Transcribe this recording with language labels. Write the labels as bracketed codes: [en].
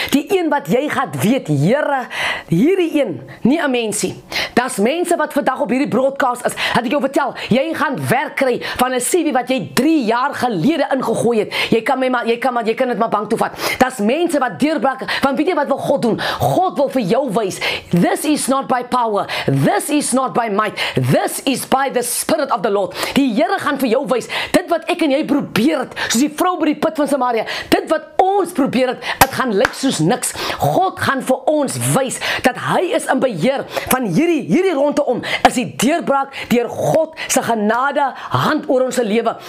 [af] Die een wat jy gaan weet, Here, hierdie een, nie 'n mensie. Das mense wat vandag op hierdie broadcast is, het ek jou vertel, jy gaan werk kry van 'n CV wat jy 3 jaar gelede ingegooi het. Jy kan dit maar bank toe vat. Das mense wat deurbraak, want weet jy wat wil God doen? God wil vir jou wys, [en] this is not by power, this is not by might, this is by the spirit of the Lord. [af] Die Here gaan vir jou wys, dit wat ek en jy probeer het, soos die vrou by die put van Samaria, dit wat ons probeer het, het gaan lyk soos niks. God gaan vir ons wys dat hy is in beheer van hierdie ronde om, is die deurbraak deur God se genade hand oor ons lewe.